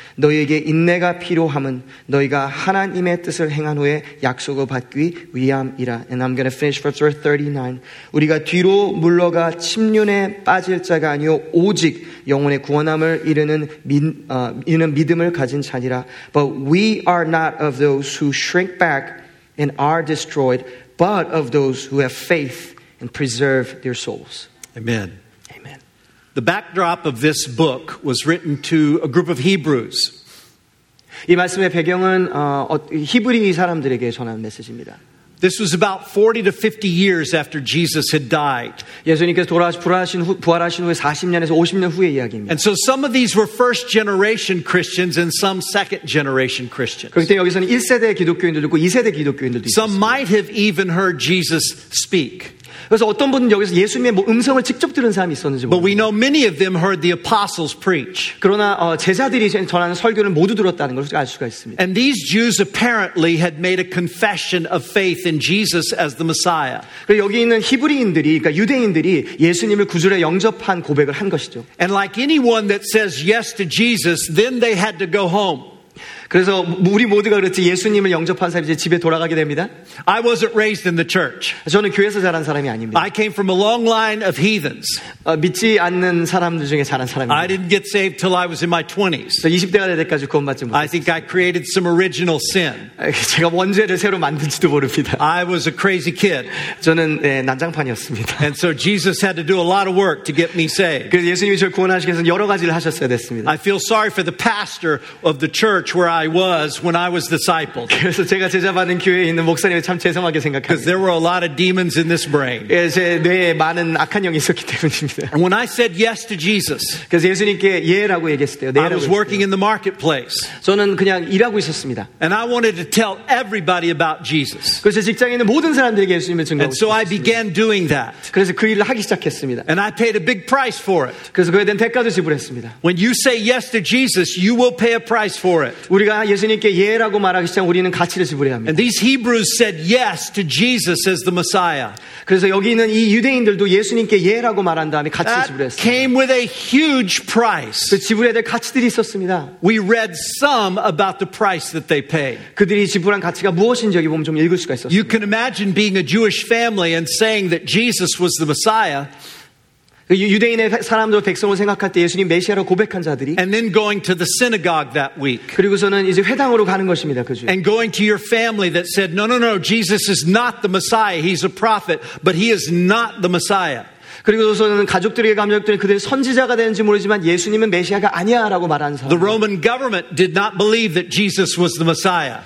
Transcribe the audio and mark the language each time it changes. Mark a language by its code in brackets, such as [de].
[ko] 너희에게 인내가 필요함은 너희가 하나님의 뜻을 행한 후에 약속을 받기 위함이라. [en] And I'm going to finish verse 39. [ko] 우리가 뒤로 물러가 침륜에 빠질 자가 아니오 오직 영혼의 구원함을 이르는 믿음을 가진 자니라. [en] But we are not of those who shrink back and are destroyed, but of those who have faith and preserve their souls. Amen. Amen. The backdrop of this book was written to a group of Hebrews. [ko] 이 말씀의 배경은 히브리 사람들에게 전한 메시지입니다. [en] This was about 40 to 50 years after Jesus had died. [ko] 예수님께서 부활하신 후에 40년에서 50년 후의 이야기입니다. [en] And so some of these were first generation Christians and some second generation Christians. [ko] 그렇기 때문에 여기서는 1세대 기독교인들도 있고 2세대 기독교인들도 있어요. [en] Some might have even heard Jesus speak. [ko] 그래서 어떤 분은 여기서 예수님의 음성을 직접 들은 사람이 있었는지 모릅니다. [en] But we know many of them heard the apostles preach. [ko] 그러나 제자들이 전하는 설교를 모두 들었다는 것을 알 수가 있습니다. [en] And these Jews apparently had made a confession of faith in Jesus as the Messiah. [ko] 그리고 여기 있는 히브리인들이, 그러니까 유대인들이 예수님을 구주로 영접한 고백을 한 것이죠. [en] And like anyone that says yes to Jesus, then they had to go home. [ko] 그래서 우리 모두가 그렇지 예수님을 영접한 사람이 이제 집에 돌아가게 됩니다. [en] I wasn't raised in the church. [ko] 저는 교회에서 자란 사람이 아닙니다. [en] I came from a long line of heathens. [ko] 믿지 않는 사람들 중에 자란 사람입니다. [en] I didn't get saved till I was in my 20s. [ko] 20대가 될 때까지 구원받지 못했어요. [en] I think I created some original sin. [ko] 제가 원죄를 새로 만든지도 모릅니다. [en] I was a crazy kid. [ko] 저는 난장판이었습니다. [en] And so Jesus had to do a lot of work to get me saved. [ko] 그래서 예수님이 저를 구원하시기 위해서 여러 가지를 하셨어야 됐습니다. [en] I feel sorry for the pastor of the church where I I was when I was discipled. [ko] 그래서 제가 제자받은 교회에 있는 목사님을 참 죄송하게 생각합니다. [en] Because there were a lot of demons in this brain. [ko] 예, 제 뇌에 많은 악한 영이 있었기 때문입니다. [en] And when I said yes to Jesus, [ko] 그래서 예수님께 예라고 얘기했을 때요. 네라고 [en] I was working in the marketplace. [ko] 저는 그냥 일하고 있었습니다. [en] And I wanted to tell everybody about Jesus. [ko] 그래서 직장에 있는 모든 사람들에게 예수님을 증거하고 [en] And so [ko] 있었습니다. [en] I began doing that. [ko] 그래서 그 일을 하기 시작했습니다. [en] And I paid a big price for it. [ko] 그래서 그에 대한 대가도 지불했습니다. [en] When you say yes to Jesus, you will pay a price for it. [ko] 우리가 예수님께 예라고 말하기 시작하면 우리는 가치를 지불해야 합니다. [en] And these Hebrews said yes to Jesus as the Messiah. [ko] 그래서 여기 있는 이 유대인들도 예수님께 예라고 말한 다음에 가치를 지불했어요. [en] Came with a huge price. [ko] 그 지불해야 될 가치들이 있었습니다. [en] We read some about the price that they paid. [ko] 그들이 지불한 가치가 무엇인지 여기 보면 좀 읽을 수가 있었어요. [en] You can imagine being a Jewish family and saying that Jesus was the Messiah. [ko] 유대인의 사람들 백성을 생각할 때 예수님 메시아로 고백한 자들이 [en] And then going to the synagogue that week. [ko] 그리고서는 이제 회당으로 가는 것입니다. 그 주에. [en] And going to your family that said no no no Jesus is not the Messiah. He's a prophet, but he is not the Messiah. [ko] 그리고서는 가족들에게 감정들이 그들이 선지자가 되는지 모르지만 예수님은 메시아가 아니야라고 말하는 사람. [en] The Roman government did not believe that Jesus was the Messiah.